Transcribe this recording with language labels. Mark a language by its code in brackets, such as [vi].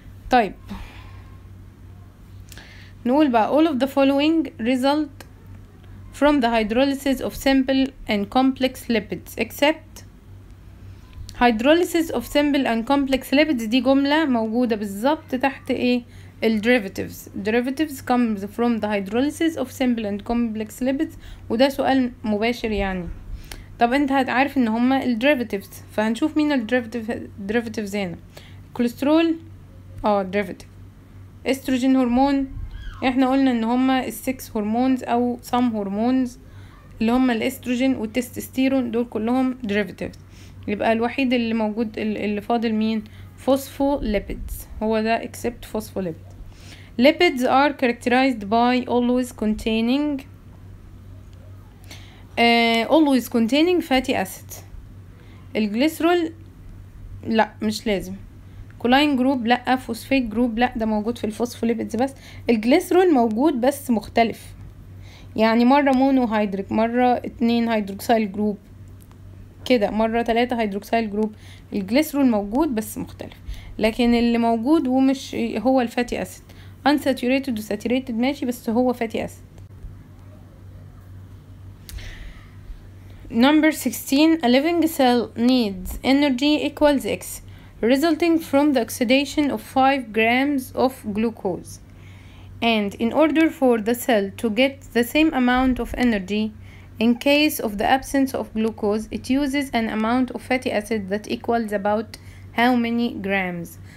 [ar] طيب نقول بقى [en] all of the following result from the hydrolysis of simple and complex lipids except hydrolysis of simple and complex lipids. [ar] دي جملة موجودة بالظبط تحت ايه الderivatives. [en] derivatives comes from the hydrolysis of simple and complex lipids, [ar] وده سؤال مباشر يعني. طب انت هتعرف ان هما الderivatives, فهنشوف مين الderivatives هنا. كوليسترول derivative, استروجين هرمون, احنا قلنا ان هما السكس هرمونز او سام هرمونز اللي هما الاستروجين والتستستيرون دول كلهم derivatives. يبقى الوحيد اللي موجود اللي فاضل مين؟ phospholipids, هو ده except phospholipids. [en] lipids are characterized by always containing always containing fatty acid. [ar] الجليسرول لا مش لازم, choline group لا, phosphate group لا, ده موجود في الphospholipids بس. الجليسرول موجود بس مختلف, يعني مرة monohydric مرة 2 hydroxyl group كده مرة 3 hydroxyl group. الجليسرول موجود بس مختلف, لكن اللي موجود ومش هو الفاتي اسيد unsaturated وساتوريتد ماشي بس هو فاتي اسيد. [en] number 16 a living cell needs energy equals x resulting from the oxidation of 5 grams of glucose and in order for the cell to get the same amount of energy in case of the absence of glucose it uses an amount of fatty acid that equals about how many grams.